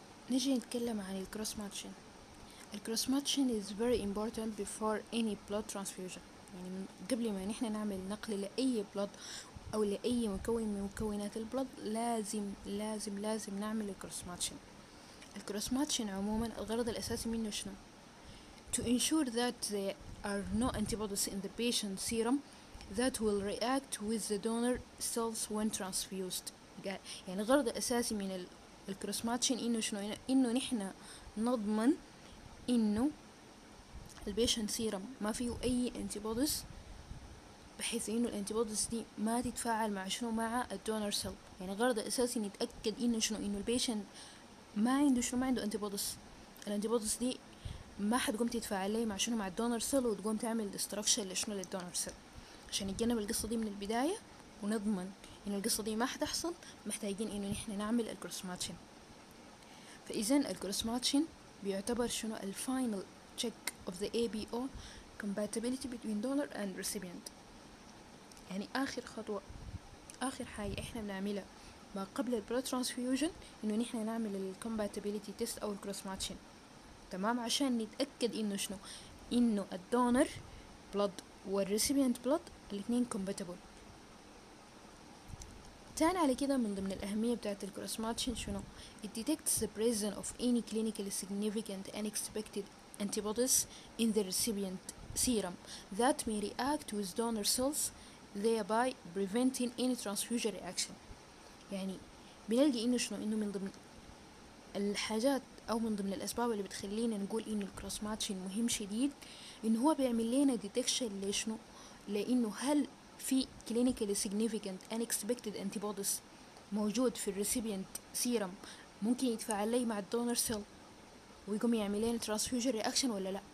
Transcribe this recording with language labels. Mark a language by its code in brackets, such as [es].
[ar] نجي نتكلم عن الكروس ماتشين. الكروس ماتشين [en] is very important before any blood transfusion، [ar] يعني من قبل ما نحن نعمل نقل لأي blood أو لأي مكون من مكونات البلد، لازم لازم لازم نعمل الكروس ماتشين. الكروس ماتشين عموما الغرض الأساسي منه شنو؟ [en] To ensure that there are no antibodies in the patient's serum that will react with the donor cells when transfused. [ar] يعني الغرض الأساسي من الكروس ماتشين إنه شنو؟ إنه نحن نضمن إنه البيشنت سيرم ما فيه أي antibodies، بحيث إنه الانتيبودز دي ما تتفاعل مع شنو؟ مع الدونر سيل. يعني غرض أساسي نتأكد إنه شنو؟ إنه البيشنت ما عنده شنو؟ ما عنده انتيبودز. الانتيبودز دي ما حد قمت تتفاعل مع شنو؟ مع الدونر سيل، وتقوم تعمل destruction لشنو؟ للدونر سيل. عشان نتجنب القصة دي من البداية ونضمن إنه القصة دي ما حتحصل، محتاجين إنه نحن نعمل الكروس ماتشين. فإذن الكروس ماتشين بيعتبر شنو؟ ال [en] final check of the ABO compatibility between donor and recipient، [ar] يعني آخر خطوة، آخر حاجة إحنا بنعملها ما قبل الـ blood transfusion إنه نحنا نعمل الـ compatibility test أو الـ cross matching، تمام؟ عشان نتأكد إنه شنو؟ إنه الـ donor blood والـ recipient blood الاثنين compatible. تاني على كده من ضمن الأهمية بتاعت [en] الـ cross matching شنو؟ It detects the presence of any clinically significant unexpected antibodies in the recipient serum that may react with donor cells thereby preventing any transfusion reaction. [ar] يعني بنلقي انه شنو؟ انه من ضمن الحاجات او من ضمن الاسباب اللي بتخلينا نقول انه الكروس ماتشين مهم شديد، انه هو بيعمل لنا ديتكشن لشنو؟ لانه هل في كلينيكال سيجنيفيكانت ان اكسبكتد انتيبوديز موجود في الريسيبينت سيرم ممكن يتفاعل لي مع الدونر سيل ويقوم يعمل لنا ترانسفيوجن رياكشن ولا لا.